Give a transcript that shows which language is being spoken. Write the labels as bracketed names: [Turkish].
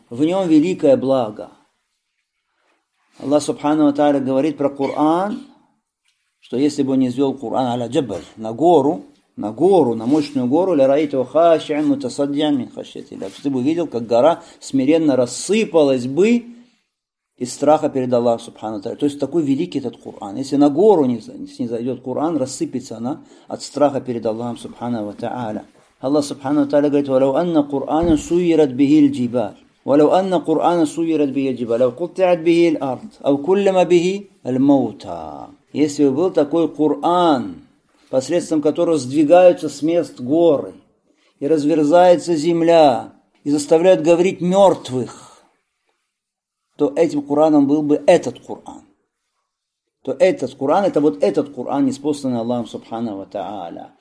[Russian] В нем великое благо. Аллах Субхану ва Тааля говорит про Кур'ан, что если бы он не извел Кур'ан [Arabic] аля джабр, [Russian] на гору, на мощную гору, [Arabic] ля раитова хаши'ан мутасадьян мин хаши'ати. [Russian] Ты бы видел, как гора смиренно рассыпалась бы из страха перед Аллахом Субхану Тааля. То есть такой великий этот Коран. Если на гору не зайдет Коран, рассыпется она от страха перед Аллахом Субхану Тааля. Аллах Субхану Тааля говорит: [Arabic] «Валяу анна Коранан суйрат бихил джибаль». ولو أن قرآن سُيِّرَت به الجبال لو قطعت به الأرض أو كلم به الموتى. [Russian] Если бы был такой Коран, посредством которого сдвигаются с мест горы и разверзается земля и заставляют говорить мертвых, то этим Кораном был бы этот Коран. То этот Коран, это вот этот Коран, ниспосланный Аллахом Субхана ва Тааля.